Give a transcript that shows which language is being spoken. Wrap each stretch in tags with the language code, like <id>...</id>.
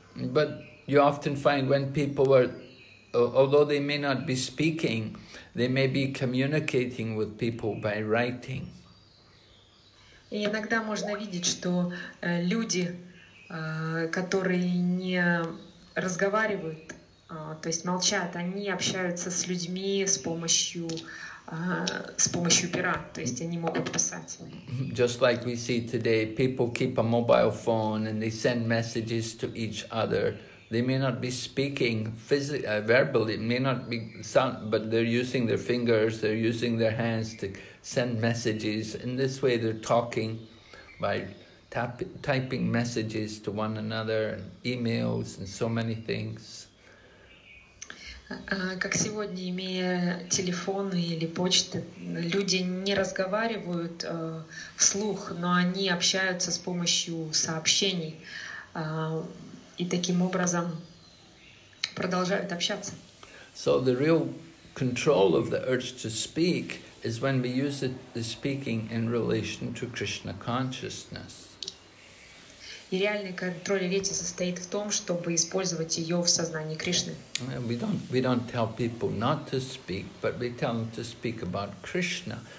<en>But you often find when people are, although they may not be speaking, they may be communicating with people by writing.</en> <ru>И иногда можно видеть, что люди, которые не разговаривают, то есть молчат, они общаются с людьми с помощью пера, то есть они могут писать.</ru> <en>Just like we see today, people keep a mobile phone and they send messages to each other. They may not be speaking verbally, may not be sound, but they're using their fingers, they're using their hands to send messages. In this way, they're talking by typing messages to one another, and emails, and so many things.</en> <ru>Как сегодня, имея телефоны или почты, люди не разговаривают вслух, но они общаются с помощью сообщений. И таким образом продолжают общаться.</ru> <en>So the real control of the urge to speak is when we use the speaking in relation to Krishna consciousness.</en> <ru>И реальный контроль речи состоит в том, чтобы использовать ее в сознании Кришны.</ru> <en>We don't tell people not to speak, but we tell them to speak about Krishna.</en>